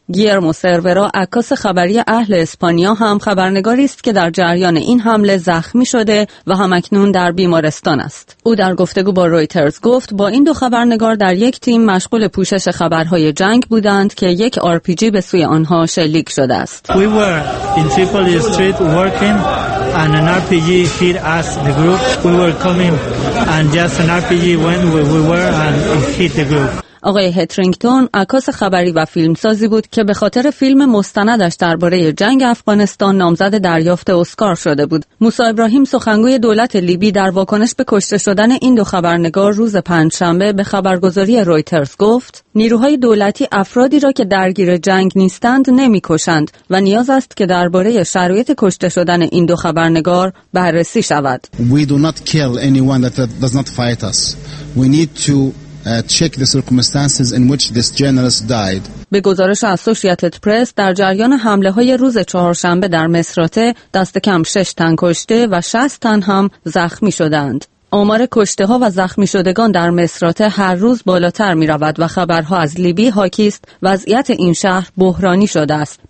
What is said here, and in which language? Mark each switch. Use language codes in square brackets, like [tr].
[fa] گیرمو سرورا، عکاس خبری اهل اسپانیا، هم خبرنگاری است که در جریان این حمله زخمی شده و هم اکنون در بیمارستان است. او در گفتگو با رویترز گفت با این 2 خبرنگار در یک تیم مشغول پوشش خبرهای جنگ بودند که یک RPG به سوی آنها شلیک شده است. [en] We were in Tripoli street working and an RPG hit us, the group. We were coming and just an RPG went where we were and hit the group. [fa] آقای هترینگتون عکاس خبری و فیلمسازی بود که به خاطر فیلم مستندش درباره جنگ افغانستان نامزد دریافت اسکار شده بود. موسی ابراهیم، سخنگوی دولت لیبی، در واکنش به کشته شدن این 2 خبرنگار روز پنجشنبه به خبرگزاری رویترز گفت: نیروهای دولتی افرادی را که درگیر جنگ نیستند نمی‌کشند و نیاز است که درباره شرایط کشته شدن این 2 خبرنگار بررسی شود. [en] We do not kill anyone that does not fight us. We need to check the circumstances in which this journalist died. [fa] به گزارش اسوسییتد پرس، در جریان حمله‌های روز چهارشنبه در مصراته دست کم 6 تن کشته و 60 تن هم زخمی شدند. آمار کشته‌ها و زخمی شدگان در مصراته هر روز بالاتر می‌رود و خبرها از لیبی حاکی است وضعیت این شهر بحرانی شده است.